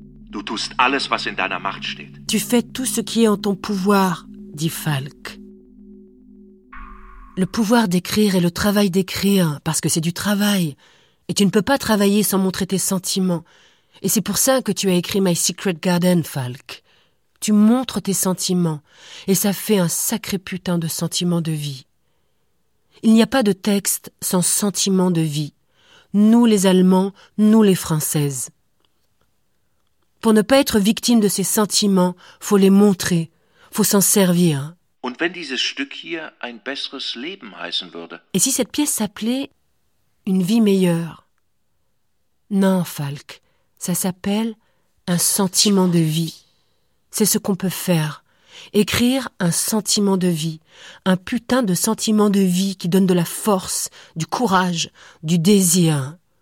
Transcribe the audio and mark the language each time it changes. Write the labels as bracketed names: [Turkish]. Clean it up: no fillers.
[German] Du tust alles, was in deiner Macht steht. [French] Tu fais tout ce qui est en ton pouvoir, dit Falk. Le pouvoir d'écrire et le travail d'écrire, parce que c'est du travail. Et tu ne peux pas travailler sans montrer tes sentiments. Et c'est pour ça que tu as écrit My Secret Garden, Falk. Tu montres tes sentiments. Et ça fait un sacré putain de sentiment de vie. Il n'y a pas de texte sans sentiment de vie. Nous les Allemands, nous les Françaises. Pour ne pas être victime de ces sentiments, faut les montrer. Faut s'en servir. [German] Und wenn dieses Stück hier ein besseres Leben heißen würde? [French] Et si cette pièce s'appelait Une vie meilleure? Non, Falk, ça s'appelle Un sentiment de vie. C'est ce qu'on peut faire. Écrire un sentiment de vie. Un putain de sentiment de vie qui donne de la force, du courage, du désir.